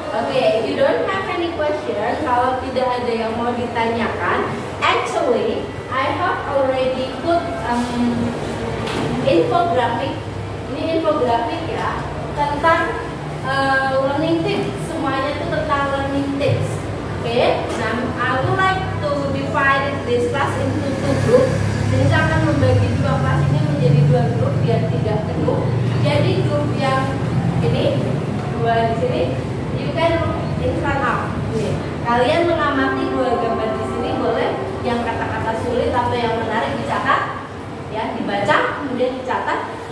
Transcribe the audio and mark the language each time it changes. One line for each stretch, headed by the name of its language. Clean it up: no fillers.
English: Oke, if you don't have any question,
Indonesian: kalau tidak ada yang mau ditanyakan,
English: actually, I have already put infographic.
Indonesian: Ini infographic ya, tentang learning tips. Semuanya itu tentang learning tips.
English: Oke, nah, I would like to divide this class into two groups.
Indonesian: Jadi saya akan membagi dua kelas ini menjadi dua grup, biar tidak penuh. Jadi grup yang ini, dua di sini,
English: you can in front of.
Indonesian: Kalian mengamati dua gambar di sini, boleh yang kata-kata sulit atau yang menarik dicatat, ya, dibaca, kemudian dicatat.